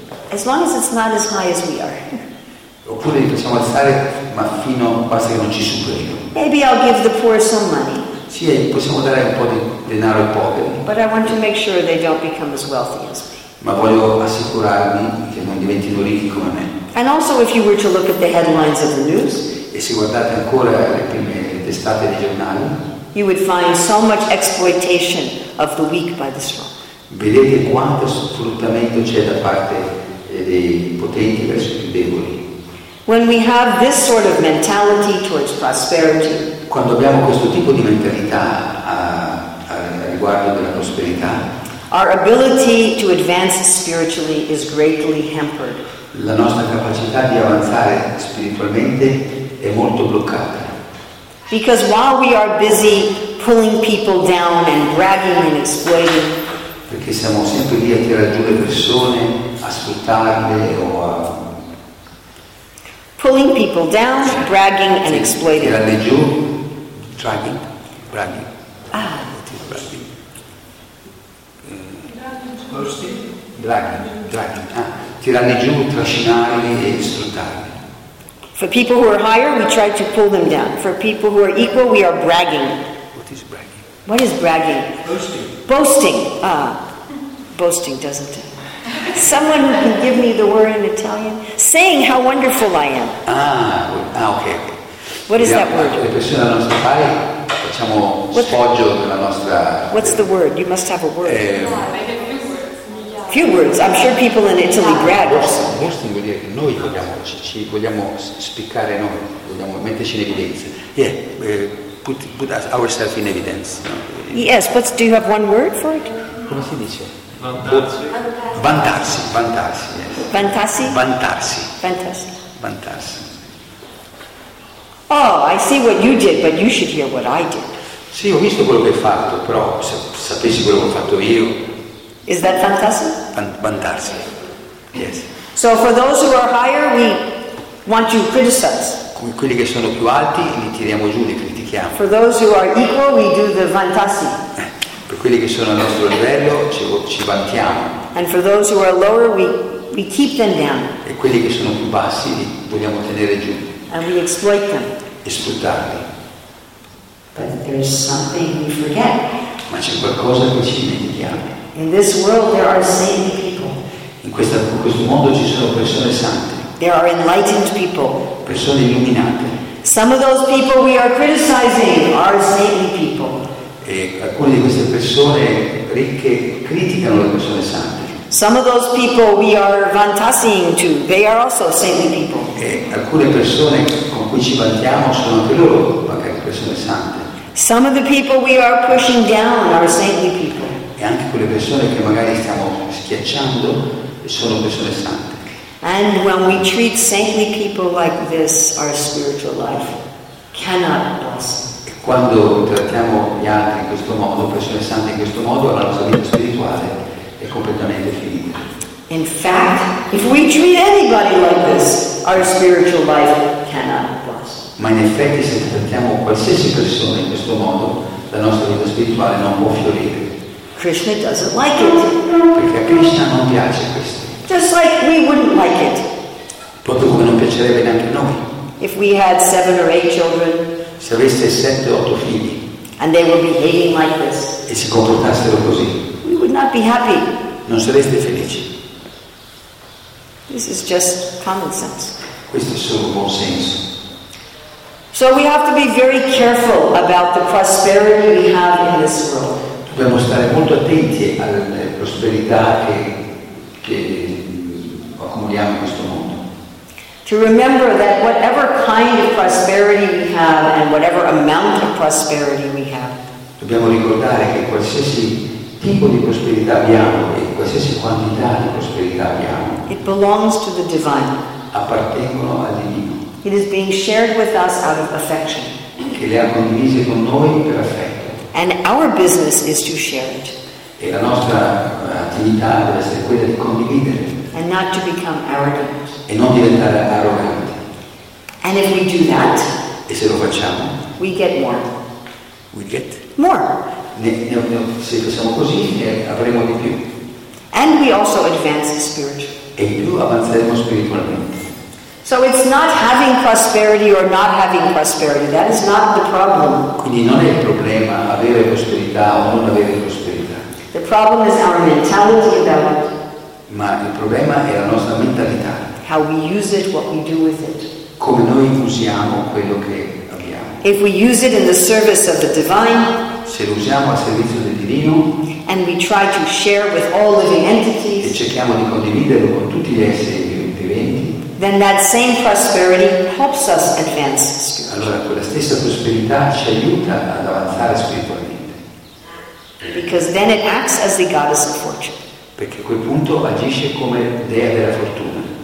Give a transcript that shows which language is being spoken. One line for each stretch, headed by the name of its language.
English: as long as it's not as high as we are,
Italian: oppure li possiamo alzare, ma fino basta che non ci superino.
English: Maybe I'll give the poor some money.
Italian: Sì, possiamo dare un po' di denaro ai poveri.
English: But I want to make sure they don't become as wealthy as me.
Italian: Ma voglio assicurarmi che non diventino ricchi come me.
English: And also, if you were to look at the headlines of the news,
Italian: e se guardate ancora le prime testate dei giornali,
English: you would find so much exploitation of the weak by the strong.
Italian: Vedete quanto sfruttamento c'è da parte dei potenti verso i più deboli.
English: When we have this sort of mentality towards prosperity,
Italian: quando abbiamo questo tipo di mentalità a riguardo della prosperità,
English: our ability to advance spiritually is greatly hampered.
Italian: La nostra capacità di avanzare spiritualmente è molto bloccata.
English: Because while we are busy pulling people down and bragging and exploiting,
Italian: perché siamo sempre lì a tirare giù le persone, a sfruttarle o a
English: pulling people down, bragging and exploiting.
Italian: Tirarle giù,
English: dragging, bragging. Ah, bragging. Dragging, dragging.
Italian: Tirarle giù, trascinarli e sfruttarli.
English: For people who are higher, we try to pull them down. For people who are equal, we are bragging. What is bragging? What is bragging? Boasting. Boasting. Boasting, doesn't it? Someone who can give me the word in Italian? Saying how wonderful I am. Okay. What is that word?
Italian: Le persone alla nostra pari, facciamo sfoggio della nostra.
English: What's the word? You must have a word. Few words. I'm sure people in Italy brag.
Italian: Boasting vuol dire che noi vogliamo spiccare noi, vogliamo metterci in evidenza.
English: Yeah, put ourselves in evidence. Yes, but do you have one word for it?
Italian: Come si dice? Vantarsi. Vantarsi. Vantarsi. Vantarsi. Vantarsi. Vantarsi.
English: Oh, I see what you did, but you should hear what I did.
Italian: Sì, ho visto quello che hai fatto, però se sapessi quello che ho fatto io.
English: Is that fantastic? Vantarsi. Yes. So for those who are higher, we want to criticize.
Italian: Come quelli che sono più alti, li tiriamo giù, li critichiamo.
English: For those who are equal, we do the vantarsi.
Italian: Per quelli che sono al nostro livello, ci vantiamo.
English: And for those who are lower, we keep them down.
Italian: E quelli che sono più bassi, li vogliamo tenere giù.
English: And we exploit them.
Italian: E sfruttarli.
English: But there's something we forget.
Italian: Ma c'è qualcosa che ci dimentichiamo.
English: In this world there are saint people.
Italian: In questo mondo ci sono persone sante.
English: There are enlightened people.
Italian: Persone illuminate.
English: Some of those people we are criticizing are saint people.
Italian: E alcune di queste persone ricche criticano le persone sante.
English: Some of those people we are vantassing to, they are also saintly people.
Italian: E alcune persone con cui ci vantiamo sono anche loro, magari persone sante.
English: Some of the people we are pushing down are saintly people.
Italian: E anche quelle persone che magari stiamo schiacciando sono persone sante.
English: And when we treat saintly people like this, our spiritual life cannot blossom.
Italian: E quando trattiamo gli altri in questo modo, persone sante in questo modo, la nostra vita spirituale è completamente finita.
English: In fact, if we treat anybody like this, our spiritual life cannot blossom.
Italian: Ma in effetti, se trattiamo qualsiasi persona in questo modo, la nostra vita spirituale non può fiorire.
English: Krishna doesn't like it.
Italian: Perché a Krishna non piace questo.
English: Just like we wouldn't like it.
Italian: Proprio come non piacerebbe neanche noi.
English: If we had 7 or 8 children.
Italian: Se aveste 7 o 8 figli.
English: And they were behaving like this.
Italian: E si comportassero così.
English: We would not be happy.
Italian: Non sareste felici.
English: This is just common sense.
Italian: Questo è solo buon senso.
English: So we have to be very careful about the prosperity we have in this world.
Italian: Dobbiamo stare molto attenti alla prosperità che accumuliamo in questo mondo.
English: To remember that whatever kind of prosperity we have and whatever amount of prosperity we have.
Italian: Dobbiamo ricordare che qualsiasi tipo di prosperità abbiamo e qualsiasi quantità di prosperità abbiamo.
English: It belongs to the divine.
Italian: Appartengono al divino.
English: It is being shared with us out of affection.
Italian: Che le ha condivise con noi per affetto.
English: And our business is to share it.
Italian: E la nostra attività deve essere quella di condividere.
English: And not to become arrogant.
Italian: E non diventare arroganti.
English: And if we do that,
Italian: e se lo facciamo,
English: we get more. We get more.
Italian: Se facciamo così, avremo di più.
English: And we also advance spiritually.
Italian: E più avanzeremo spiritualmente.
English: So it's not having prosperity or not having prosperity. That is not the problem.
Italian: Quindi non è il problema avere prosperità o non avere prosperità.
English: The problem is our mentality about it.
Italian: Ma il problema è la nostra mentalità.
English: How we use it, what we do with it.
Italian: Come noi usiamo quello che abbiamo.
English: If we use it in the service of the divine.
Italian: Se lo usiamo al servizio del divino.
English: And we try to share with all living entities.
Italian: E cerchiamo di condividerlo con tutti gli esseri viventi.
English: Then that same prosperity helps us advance spiritually.
Italian: Allora quella stessa prosperità ci aiuta ad avanzare spiritualmente.
English: Because then it acts as the goddess of fortune.
Italian: Perché a quel punto agisce come dea della fortuna.